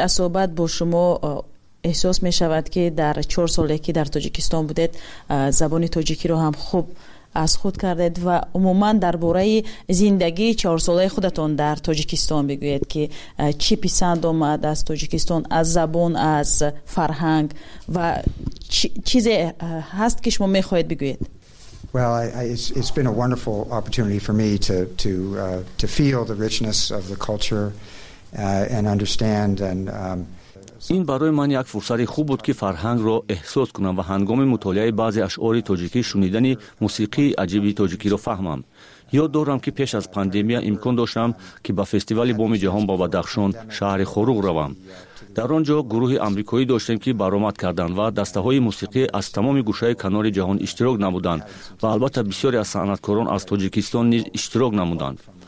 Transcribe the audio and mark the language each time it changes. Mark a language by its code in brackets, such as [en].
[fa] از صحبت با شما احساس می شود که در 4 سالی که در تاجیکستان بودید زبان تاجیکی را هم خوب از خود کردید و عموماً درباره زندگی 4 ساله خودتون در تاجیکستان بگویید که چی پسند آمد از تاجیکستان، از زبان، از فرهنگ و چیزی هست که شما میخواهید بگویید. [en] It's been a wonderful opportunity for me to feel the richness of the culture and understand and [fa] این برای من یک فرصت خوب بود که فرهنگ را احساس کنم و هنگام مطالعه بعضی اشعار تاجیکی شنیدن موسیقی عجیب تاجیکی را فهمم. یاد دارم که پیش از پاندمی امکان داشتم که به فستیوال بوم جهان با بدخشان شهر خروق روم. در آنجا گروه آمریکایی داشتیم که برآمد کردند و دسته های موسیقی از تمام گوشه کنار جهان اشتراک نمودند و البته بسیاری از صنعتکاران از تاجیکستان نیز اشتراک نمودند.